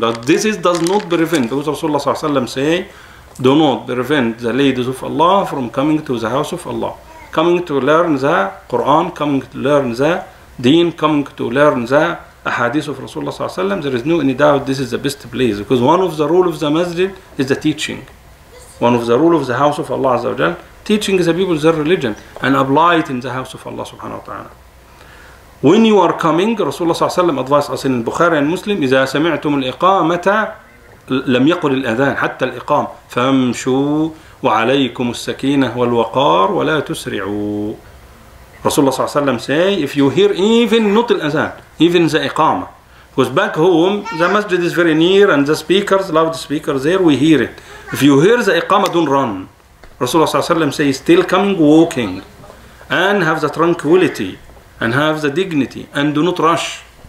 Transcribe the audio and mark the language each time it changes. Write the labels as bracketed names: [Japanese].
[English] But this is does not prevent, because Rasulullah sallallahu alaihi wasallam say, do not prevent the ladies of Allah from coming to the house of Allah, coming to learn the Quran, coming to learn the deen, coming to learn the ahadith of Rasulullah sallallahu alaihi wasallam. There is no any doubt this is the best place, because one of the rule of the masjid is the teaching. One of the rule of the house of Allah azza wa jal, teaching the people their religion and apply it in the house of Allah subhanahu wa ta'ala. When you are coming, Rasulullah sallallahu alaihi wasallam advised us in Bukhari and Muslim, [Arabic] إذا سمعتم الإقامة لم يقل الأذان حتى الإقام فامشوا وعليكم السكينة والوقار ولا تسرعوا. [English] Rasulullah sallallahu alaihi wasallam say, if you hear even not the أذان, even the إقامة, because back home the masjid is very near and the speakers, loud speakers there, we hear it. If you hear the إقامة, don't run. Rasulullah sallallahu alaihi wasallam say, still coming, walking. and have the tranquility and have the dignity and do not rush.